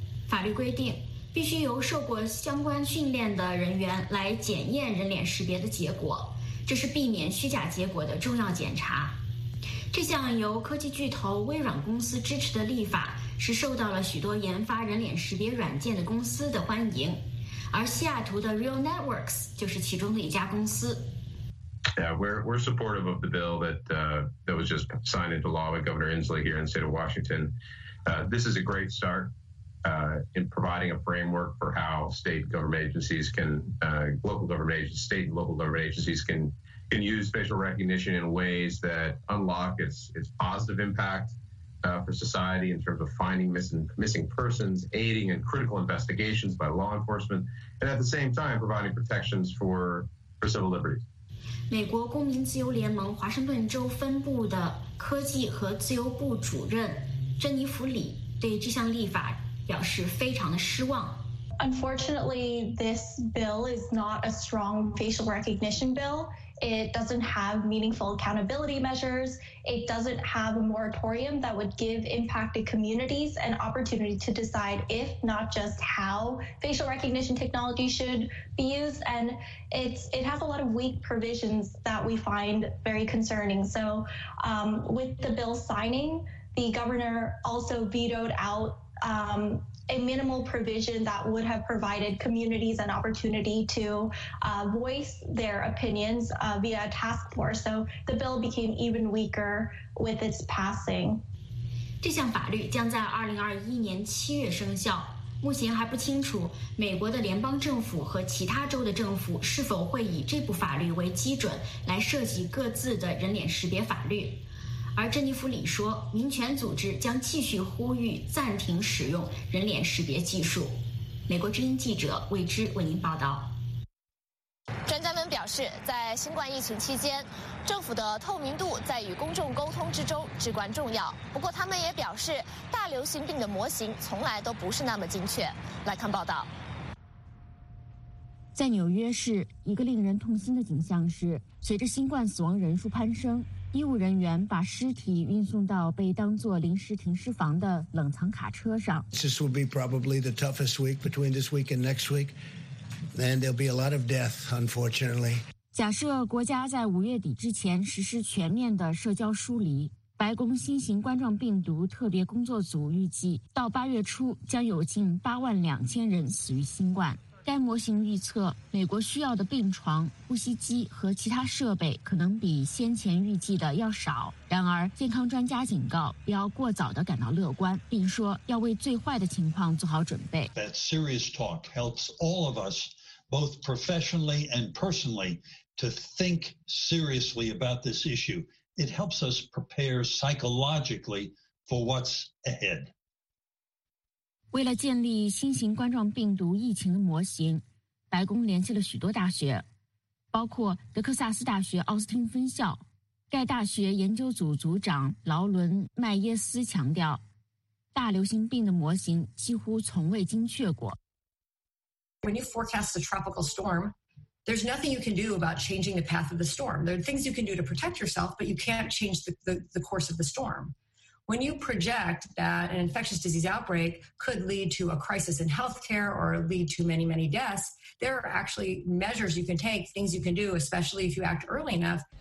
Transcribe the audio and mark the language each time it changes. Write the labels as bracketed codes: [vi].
[zh] 法律规定必须由受过相关训练的人员来检验人脸识别的结果，这是避免虚假结果的重要检查。这项由科技巨头微软公司支持的立法是受到了许多研发人脸识别软件的公司的欢迎，而西雅图的 Real Networks 就是其中的一家公司。 [en] Yeah, we're supportive of the bill that was just signed into law by Governor Inslee here in the state of Washington. This is a great start in providing a framework for how state government agencies can, state and local government agencies can use facial recognition in ways that unlock its positive impact for society in terms of finding missing persons, aiding in critical investigations by law enforcement, and at the same time providing protections for civil liberties. [zh] 美国公民自由联盟华盛顿州分部的科技和自由部主任珍妮弗·里对这项立法表示非常的失望。 [en] Unfortunately, this bill is not a strong facial recognition bill. It doesn't have meaningful accountability measures. It doesn't have a moratorium that would give impacted communities an opportunity to decide if, not just how, facial recognition technology should be used. And it has a lot of weak provisions that we find very concerning. So, with the bill signing, the governor also vetoed out, a minimal provision that would have provided communities an opportunity to voice their opinions via a task force. So the bill became even weaker with its passing. [zh] 这项法律将在2021年7月生效。目前还不清楚美国的联邦政府和其他州的政府是否会以这部法律为基准来设计各自的人脸识别法律。而珍妮弗·里说，民权组织将继续呼吁暂停使用人脸识别技术。美国之音记者魏芝为您报道。专家们表示，在新冠疫情期间，政府的透明度在与公众沟通之中至关重要。不过他们也表示，大流行病的模型从来都不是那么精确。来看报道。在纽约市，一个令人痛心的景象是，随着新冠死亡人数攀升，医务人员把尸体运送到被当作临时停尸房的冷藏卡车上。 [en] This will be probably the toughest week between this week and next week, and there'll be a lot of death, unfortunately. [zh] 假设国家在五月底之前实施全面的社交疏离，白宫新型冠状病毒特别工作组预计，到八月初将有近82000人死于新冠。该模型预测，美国需要的病床、呼吸机和其他设备可能比先前预计的要少。然而，健康专家警告，不要过早地感到乐观，并说要为最坏的情况做好准备。 [en] That serious talk helps all of us, both professionally and personally, to think seriously about this issue. It helps us prepare psychologically for what's ahead. [zh] 为了建立新型冠状病毒疫情的模型，白宫联系了许多大学，包括德克萨斯大学奥斯汀分校。该大学研究组组长劳伦·麦耶斯强调，大流行病的模型几乎从未精确过。 [en] When you forecast a tropical storm, there's nothing you can do about changing the path of the storm. There are things you can do to protect yourself, but you can't change the course of the storm. When you project that an infectious disease outbreak could lead to a crisis in healthcare or lead to many, many deaths, there are actually measures you can take, things you can do, especially if you act early enough.